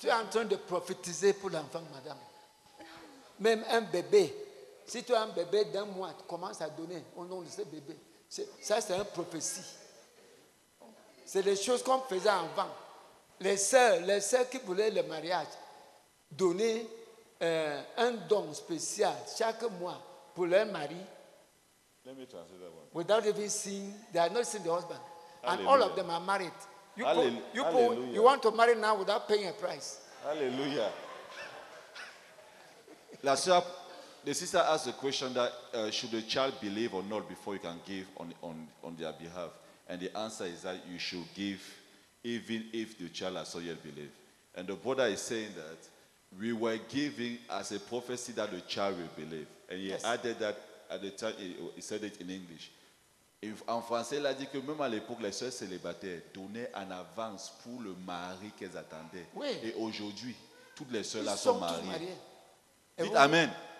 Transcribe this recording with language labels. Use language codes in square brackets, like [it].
[fr] Tu es en train de prophétiser pour l'enfant, madame. Même un bébé, si tu as un bébé d'un mois, tu commences à donner au nom de ce bébé. Ça, c'est une prophétie. C'est des choses qu'on faisait avant. Les sœurs qui voulaient le mariage, donner. Un don spécial chaque mois pour leur mari. [en] Let me translate that one. Without even seeing, they are not seeing the husband. Alleluia. And all of them are married. You Alleluia. Pull, you, pull, you want to marry now without paying a price. Hallelujah. [fr] La soeur, [en] the sister asked the question that should the child believe or not before you can give on their behalf? And the answer is that you should give even if the child has not yet believed. And the brother is saying that we were giving as a prophecy that the child will believe. And he added that at the time, he said it in English. [fr] En français, il a dit que même à l'époque, les soeurs célibataires donnaient en avance pour le mari qu'elles attendaient. Oui. Et aujourd'hui, toutes les soeurs-là sont mariées. Dites vous, amen.